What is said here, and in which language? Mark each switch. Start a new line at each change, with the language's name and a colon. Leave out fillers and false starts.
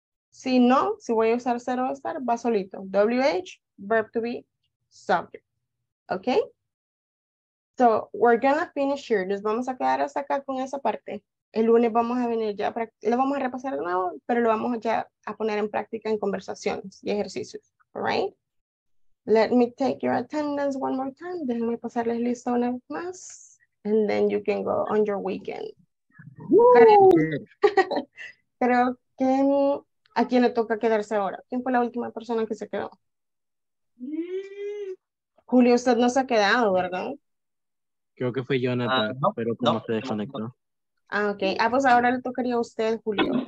Spanish: Si no, si voy a usar ser o estar, va solito.
English: WH, verb to be, subject. Okay? So, we're gonna finish here.
Spanish: Nos vamos a quedar hasta acá con esa parte. El lunes vamos a venir ya, lo vamos a repasar de nuevo, pero lo vamos ya a poner en práctica en conversaciones y ejercicios.
English: Alright? Let me take your attendance one more time.
Spanish: Déjenme pasarles lista una vez más.
English: And then you can go on your weekend.
Spanish: Creo que a quién le toca quedarse ahora. ¿Quién fue la última persona que se quedó? Julio, usted no se ha quedado, ¿verdad? Creo que fue Jonathan, pero como se desconectó. Ah, ok. Ah, pues ahora le tocaría a usted, Julio.